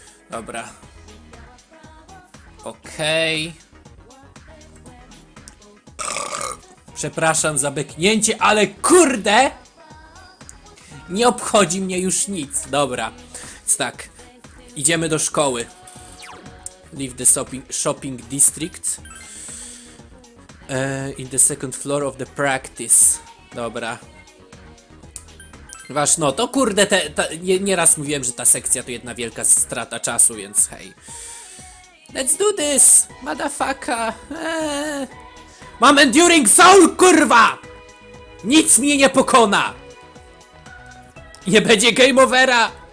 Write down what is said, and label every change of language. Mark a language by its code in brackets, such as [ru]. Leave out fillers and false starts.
[pl] Dobra. Okej. Okay. Przepraszam za beknięcie, ale kurde! Nie obchodzi mnie już nic. Dobra. Więc tak. Idziemy do szkoły. [en] Leave the shopping district. In the second floor of the practice. [pl] Dobra. Wasz no, to kurde, nieraz mówiłem, że ta sekcja to jedna wielka strata czasu, więc hej. [en] Let's do this, motherfucker! [pl] Mam Enduring Soul, kurwa! Nic mnie nie pokona! Nie będzie game overa!